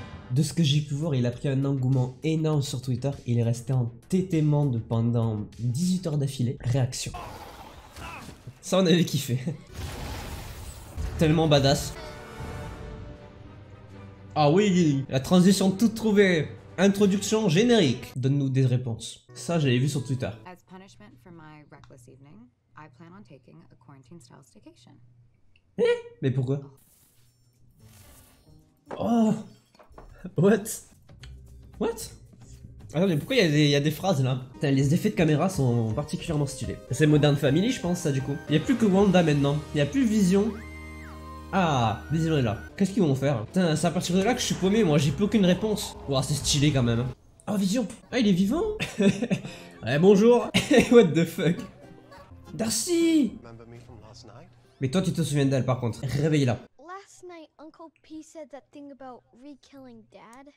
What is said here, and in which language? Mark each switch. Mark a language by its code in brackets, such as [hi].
[fr] De ce que j'ai pu voir, il a pris un engouement énorme sur Twitter. Il est resté en tétémande pendant 18 heures d'affilée. Réaction. Ça, on avait kiffé. Tellement badass. Ah oui, la transition toute trouvée. Introduction générique. Donne-nous des réponses. Ça, j'avais vu sur Twitter. [en] As punishment for my reckless evening, I plan on taking a quarantine style staycation. [fr] Mais pourquoi? [en] Oh! What? What? [fr] Attendez, pourquoi il y a des phrases là? Putain, les effets de caméra sont particulièrement stylés. C'est Modern Family, je pense, ça du coup. Il n'y a plus que Wanda maintenant. Il n'y a plus Vision. Ah, Vision est là. Qu'est-ce qu'ils vont faire? Putain, c'est à partir de là que je suis paumé, moi, j'ai plus aucune réponse. Ouah, wow, c'est stylé quand même. Oh, Vision! Ah, il est vivant? Ouais, bonjour! [en] What the fuck? [fr] Darcy! Mais toi, tu te souviens d'elle par contre. Réveille-la. [en] Uncle P said that thing about re-killing dad.